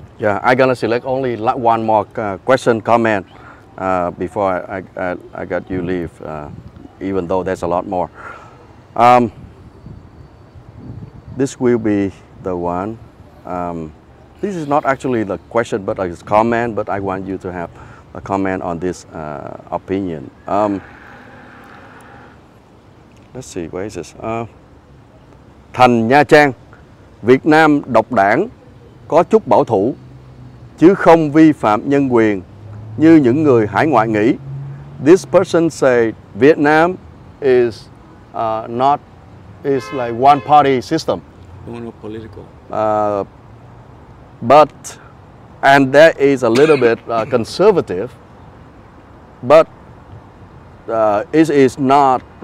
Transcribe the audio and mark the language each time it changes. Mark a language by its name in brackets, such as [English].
[English] Yeah, I'm gonna select only one more question comment before I got you leave, even though there's a lot more. This will be the one. This is not actually the question, but it's comment, but I want you to have a comment on this opinion. Let's see, where is this? [Vietnamese] Thành Nha Trang, Việt Nam độc đảng, có chút bảo thủ, chứ không vi phạm nhân quyền như những người hải ngoại nghĩ. [English] This person said Vietnam is not, is like one party system. Political. But, and that is a little bit conservative, but it is not